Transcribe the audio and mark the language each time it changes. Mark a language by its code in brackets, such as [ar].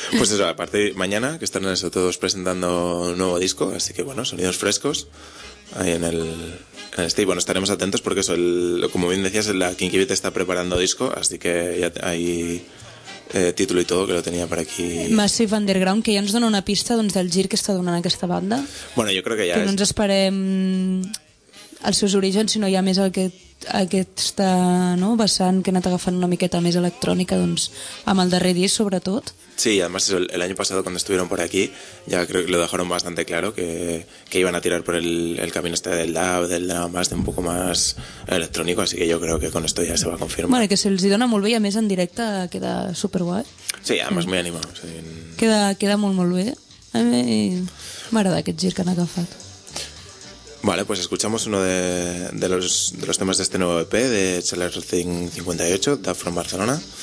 [es] Pues eso, aparte, mañana, que están eso, todos presentando un nuevo disco, así que bueno, sonidos frescos ahí en el stage. Bueno, estaremos atentos porque eso, como bien decías, la Kinky Beat está preparando disco, así que ya hay título y todo, que lo tenía por aquí. [ca] Massive Underground, que ya nos dona una pista doncs, del gir que está donant aquesta banda. [es] Bueno, yo creo que ya [ca] que no ens esperem els seus orígens, sinó ja més aquesta no, vessant que ha anat agafant una miqueta més electrònica doncs, amb el darrer disc, sobretot. [es] Sí, además el año pasado cuando estuvieron por aquí ya creo que lo dejaron bastante claro que iban a tirar por el camino este del DAB, del DAB más, de un poco más electrónico, así que yo creo que con esto ya se va a confirmar. [ca] Bueno, que se els dona molt bé i a més en directe queda superguai. [es] Sí, además sí. Muy animado. O sea, [ca] queda molt, molt bé. A mi m'agrada aquest gir que han agafat. [es] Vale, pues escuchamos uno de los temas de este nuevo EP de Chalet 58, Dub from Barcelona.